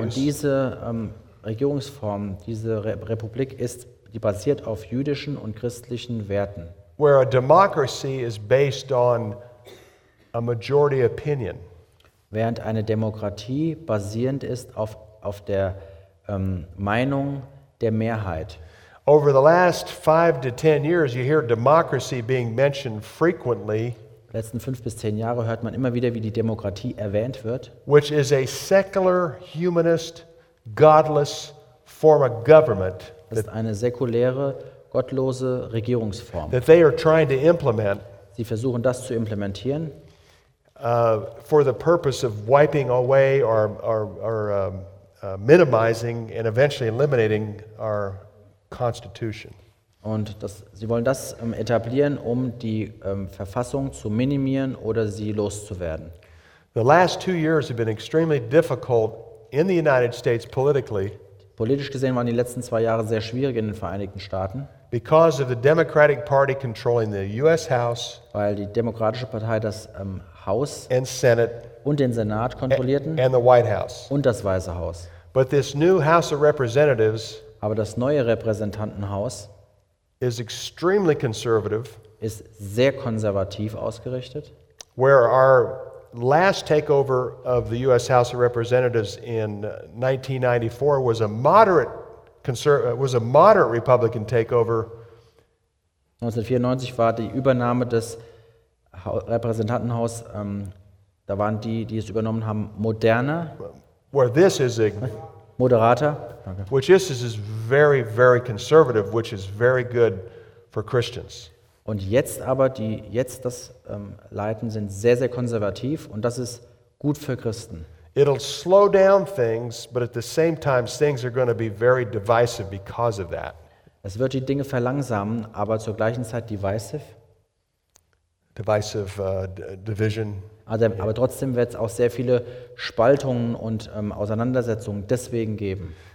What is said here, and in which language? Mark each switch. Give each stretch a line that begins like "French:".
German: Und diese Regierungsform, diese Republik ist, die basiert auf jüdischen und christlichen Werten.
English: Where a democracy is based on a majority opinion.
German: Während eine Demokratie basierend ist auf der Meinung der Mehrheit.
English: Over the last 5 to 10 years, you hear democracy being mentioned frequently.
German: Letzten 5 bis 10 Jahre hört man immer wieder, wie die Demokratie erwähnt wird.
English: Which is a secular, humanist, godless form of government.
German: Das ist eine säkuläre, gottlose Regierungsform.
English: That they are trying to implement.
German: Sie versuchen das zu implementieren.
English: For the purpose of wiping away or minimizing and eventually eliminating our constitution.
German: Und das, sie wollen das etablieren, um die Verfassung zu minimieren oder sie loszuwerden.
English: The last 2 years have been extremely difficult in the United States politically.
German: Politisch gesehen waren die letzten 2 Jahre sehr schwierig in den Vereinigten Staaten.
English: Because of the Democratic Party controlling the U.S. House.
German: Weil die Demokratische Partei das Haus
English: and Senate
German: und den Senat kontrollierten
English: and the White House.
German: Und das Weiße Haus.
English: But this new House of Representatives,
German: aber das neue Repräsentantenhaus,
English: is extremely conservative,
German: ist sehr konservativ ausgerichtet.
English: Where our last takeover of the U.S. House of Representatives in 1994 was a moderate Republican takeover.
German: 1994 war die Übernahme des Repräsentantenhaus, da waren die, die es übernommen haben, moderner.
English: Where this is a
German: moderater.
English: Okay. Which is very, very conservative, which is very good for Christians.
German: Und jetzt aber, die jetzt das leiten, sind sehr, sehr konservativ und das ist gut für Christen.
English: It'll slow down things, but at the same time, things are going to be very divisive because of that.
German: Es wird die Dinge verlangsamen, aber zur gleichen Zeit divisive.
English: Division.
German: Also, aber trotzdem wird es auch sehr viele Spaltungen und Auseinandersetzungen deswegen geben.